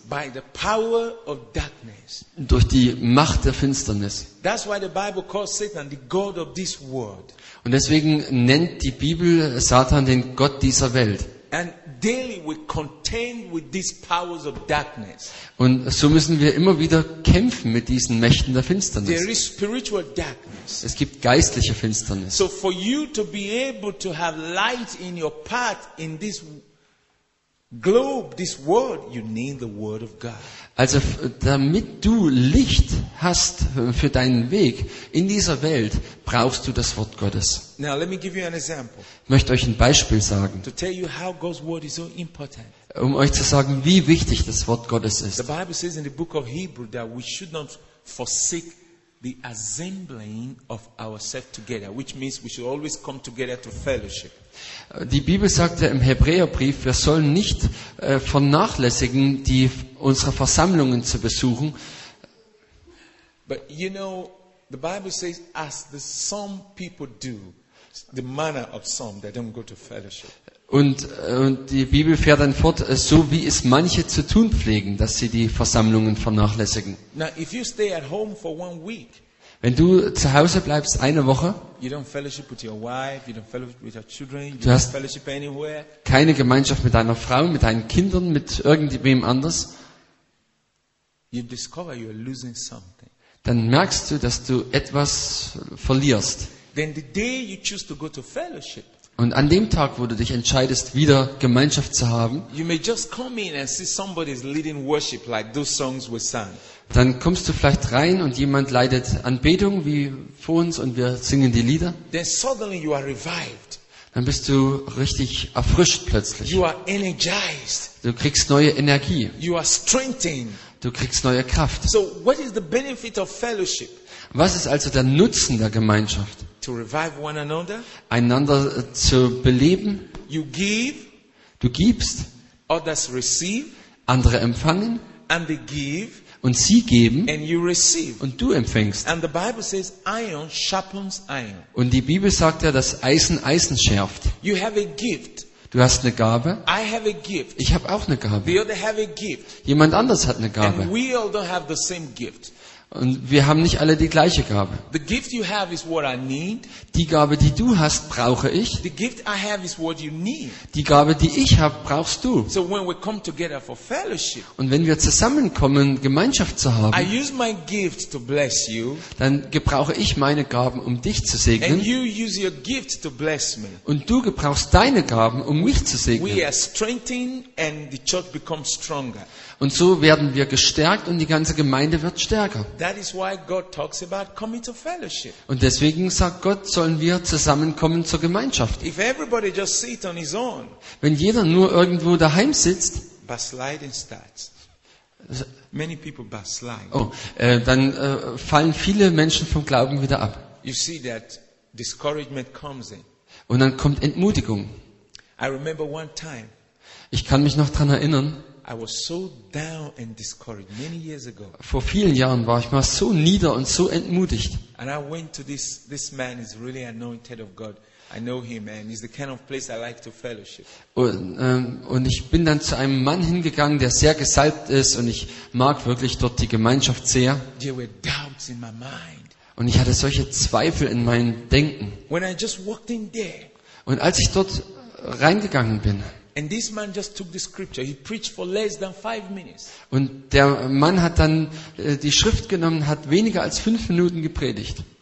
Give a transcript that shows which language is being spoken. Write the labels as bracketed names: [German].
[English] By the power of darkness. [German] Durch die Macht der Finsternis. [English] That's why the Bible calls Satan the God of this world. [German] Und deswegen nennt die Bibel Satan den Gott dieser Welt. [English] And daily we contend with these powers of darkness. [German] Und so müssen wir immer wieder kämpfen mit diesen Mächten der Finsternis. [English] There is spiritual darkness. [German] Es gibt geistliche Finsternis. [English] So for you to be able to have light in your path in this globe, this world, you need the word of God. [German] Also, damit du Licht hast für deinen Weg in dieser Welt, brauchst du das Wort Gottes. [English] Now, let me give you an example. [German] Ich möchte euch ein Beispiel sagen, [English] to tell you how God's word is so important. [German] Um euch zu sagen, wie wichtig das Wort Gottes ist. [English] The Bible says in the book of Hebrews that we should not forsake the assembling of ourselves together, which means we should always come together to fellowship. [German] Die Bibel sagt ja im Hebräerbrief, wir sollen nicht vernachlässigen, die unsere Versammlungen zu besuchen. [English] But you know, the Bible says, as the some people do, the manner of some, they don't go to fellowship. [German] Und die Bibel fährt dann fort, so wie es manche zu tun pflegen, dass sie die Versammlungen vernachlässigen. [English] Now, if you stay at home for one week. [German] Wenn du zu Hause bleibst eine Woche, [English] you don't fellowship with your wife, you don't fellowship with your children, you don't fellowship anywhere. [German] Keine Gemeinschaft mit deiner Frau, mit deinen Kindern, mit irgendwem anders. [English] You discover you are losing something. [German] Dann merkst du, dass du etwas verlierst. [English] Then the day you choose to go to fellowship. [German] Und an dem Tag, wo du dich entscheidest, wieder Gemeinschaft zu haben, [English] you may just come in and see somebody is leading worship like those songs we sang. [German] Dann kommst du vielleicht rein und jemand leidet Anbetung wie vor uns und wir singen die Lieder. [English] Then suddenly you are revived. [German] Dann bist du richtig erfrischt plötzlich. [English] You are energized. [German] Du kriegst neue Energie. [English] You are strengthened. [German] Du kriegst neue Kraft. [English] So what is the benefit of fellowship? [German] Was ist also der Nutzen der Gemeinschaft? [English] To revive one another. [German] Einander zu beleben. [English] You give. [German] Du gibst. [English] Others receive. [German] Andere empfangen. [English] And they give. [German] Und sie geben [English] and you receive. [German] Und du empfängst. [English] And the Bible says, iron sharpens iron. [German] Und die Bibel sagt ja, dass Eisen Eisen schärft. [English] You have a gift. [German] Du hast eine Gabe. [English] I have a gift. [German] Ich habe auch eine Gabe. [English] The other have a gift. [German] Jemand anders hat eine Gabe. [English] And we all don't have the same gift. [German] Und wir haben nicht alle die gleiche Gabe. [English] The gift you have is what I need. [German] Die Gabe, die du hast, brauche ich. [English] The gift I have is what you need. [German] Die Gabe, die ich habe, brauchst du. [English] So when we come together for fellowship, [German] und wenn wir zusammenkommen, Gemeinschaft zu haben, [English] I use my gift to bless you, [German] dann gebrauche ich meine Gaben, um dich zu segnen. [English] And you use your gift to bless me. [German] Und du gebrauchst deine Gaben, um mich zu segnen. [English] We are strengthened and the church becomes stronger. [German] Und so werden wir gestärkt und die ganze Gemeinde wird stärker. [English] That is why God talks about coming to fellowship. [German] Und deswegen sagt Gott, sollen wir zusammenkommen zur Gemeinschaft. [English] If everybody just sit on his own, [German] wenn jeder nur irgendwo daheim sitzt, [English] backsliding starts. Many people backslide. [German] Fallen viele Menschen vom Glauben wieder ab. [English] You see that discouragement comes in. [German] Und dann kommt Entmutigung. [English] I remember one time, [German] ich kann mich noch daran erinnern, [English] I was so down and discouraged many years ago. [German] Vor vielen Jahren war ich mal so nieder und so entmutigt. [English] And I went to this man is really anointed of God. I know him, man. He's the kind of place I like to fellowship. [German] Und ich bin dann zu einem Mann hingegangen, der sehr gesalbt ist, und ich mag wirklich dort die Gemeinschaft sehr. [English] There were doubts in my mind. [German] Und ich hatte solche Zweifel in meinem Denken. [English] When I just walked in there. [German] Und als ich dort reingegangen bin. [English] And this man just took the scripture. He preached for less than 5 minutes. [German] Und der Mann hat dann die Schrift genommen, hat weniger als 5 Minuten gepredigt.